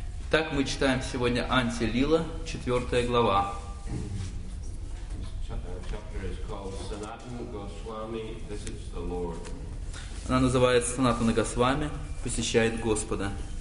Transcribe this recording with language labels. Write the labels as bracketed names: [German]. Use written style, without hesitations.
[Russian] Так мы читаем сегодня Анти-Лила, 4 глава. [English] This chapter is called Sanatana Goswami Visits the Lord. [Russian] Она называется Санатана Госвами, посещает Господа.